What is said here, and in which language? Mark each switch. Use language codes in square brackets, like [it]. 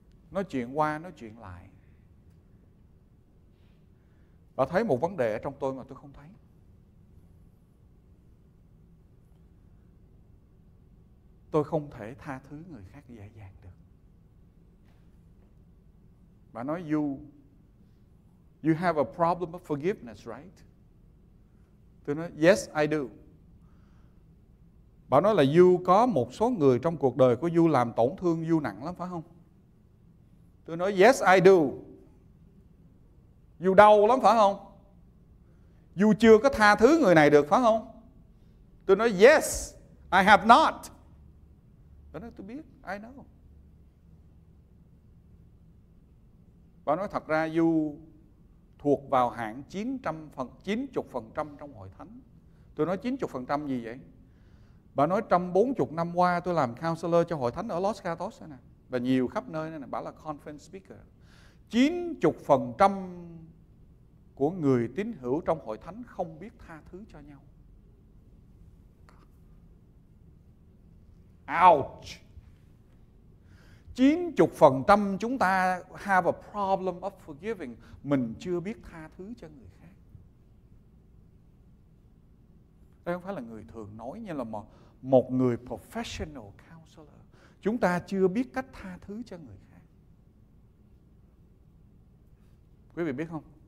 [vi] Nói chuyện qua, nói chuyện lại. Bà thấy một vấn đề ở trong tôi mà tôi không thấy. Tôi không thể tha thứ người khác dễ dàng được. Bà nói [en] you have a problem of forgiveness, right? [vi] Tôi nói [en] yes, I do. [vi] Bà nói là you có một số người trong cuộc đời của you làm tổn thương you nặng lắm, phải không? Tôi nói [en] yes, I do. [vi] You đau lắm, phải không? You chưa có tha thứ người này được, phải không? Tôi nói [en] yes, I have not. [vi] Bà nói tôi biết, [en] I know. [vi] Bà nói thật ra you thuộc vào hạng 90% trong hội thánh. Tôi nói 90% gì vậy? Bà nói trong 40 năm qua tôi làm counselor cho hội thánh ở Los Gatos này nè, và nhiều khắp nơi này nè, bà là conference speaker. 90% của người tín hữu trong hội thánh không biết tha thứ cho nhau. Ouch. [en] 90% [vi] chúng ta [en] have a problem of forgiving. [vi] Mình chưa biết tha thứ cho người khác. Đây không phải là người thường nói, như là một người [en] professional counselor. [vi] Chúng ta chưa biết cách tha thứ cho người khác. Quý vị biết không?